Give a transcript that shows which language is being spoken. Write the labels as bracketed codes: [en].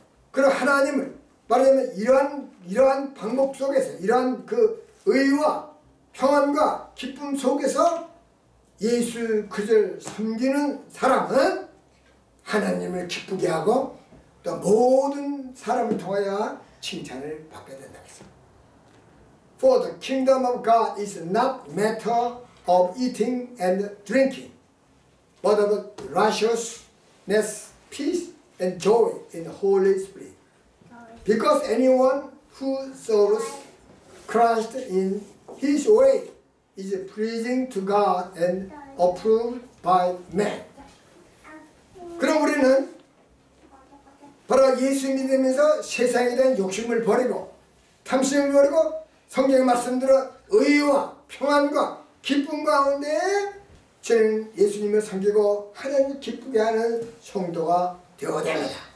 [ko] 그리고 하나님을 말하자면 이러한 방법 속에서 이러한 그 의와 평안과 기쁨 속에서 예수 그리스도를 섬기는 사람은 하나님을 기쁘게 하고 또 모든 사람을 통하여 칭찬을 받게 된다. [en] For the kingdom of God is not matter of eating and drinking, but of righteousness, peace, and joy in the Holy Spirit. Because anyone who serves Christ in His way is pleasing to God and approved by man. [ko] 그럼 우리는 바로 예수 믿으면서 세상에 대한 욕심을 버리고 탐심을 버리고 성경의 말씀대로 의와 평안과 기쁨 가운데 주님 예수님을 섬기고 하나님을 기쁘게 하는 성도가 되어야 됩니다.